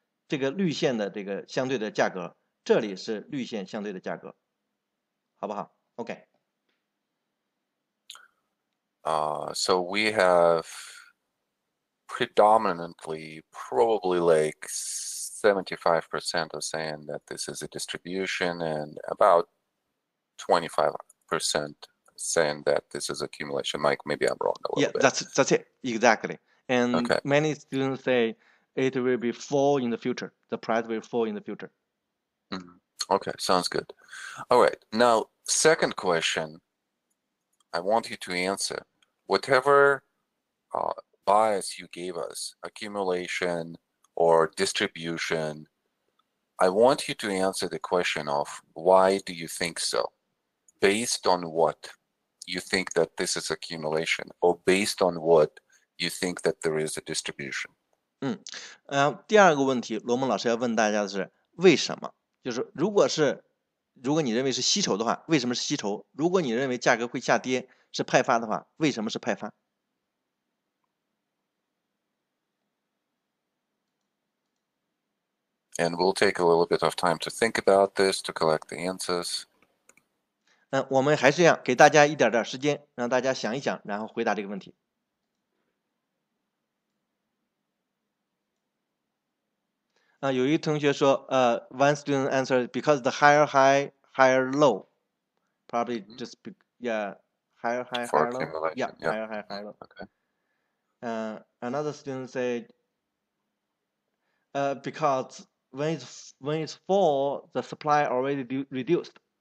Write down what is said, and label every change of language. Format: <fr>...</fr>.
<zh>这个绿线的这个相对的价格，这里是绿线相对的价格，好不好 ？OK。</zh> <en>So we have predominantly, probably like 75% are saying that this is a distribution, and about 25% saying that this is accumulation. Mike, maybe I'm wrong a little bit. Yeah, that's it exactly. And okay. Many students say. It will be fall in the future. The price will fall in the future. Okay, sounds good. All right, now, second question I want you to answer. Whatever bias you gave us, accumulation or distribution, I want you to answer the question of why do you think so? Based on what you think that this is accumulation, or based on what you think that there is a distribution?</en> <zh>第二个问题罗蒙老师要问大家的是为什么，就是如果你认为是吸筹的话，为什么是吸筹？如果你认为价格会下跌是派发的话，为什么是派发？</zh> <en>And we'll take a little bit of time to think about this to collect the answers.</en> <zh>我们还是要给大家一点点时间，让大家想一想，然后回答这个问题。有一同学说</zh> <en>one student answered because the higher high, higher low. Probably just be, yeah, higher high, higher low. Yeah, higher high, higher low. Okay. Another student said because when it's fall, the supply already reduced.</en>